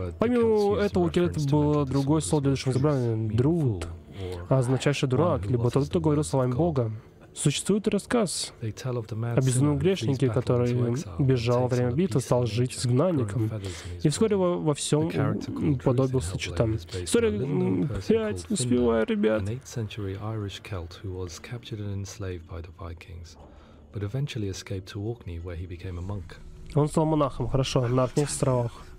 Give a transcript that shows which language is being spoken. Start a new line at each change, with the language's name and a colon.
Russian: Помимо этого, у кельтов было другое слово для душевного заболевания — друут, означающий дурак, либо тот, кто говорил словами Бога. Существует рассказ о безумном грешнике, который бежал во время битвы, стал жить изгнанником, и вскоре его во всем уподобился читам. История 5, успеваю, ребят.
English: An 8th century Irish Celt who was captured and enslaved by the Vikings, but eventually escaped to Orkney, where he became a monk.
Russian: Он стал монахом, хорошо, на Аркнейских островах.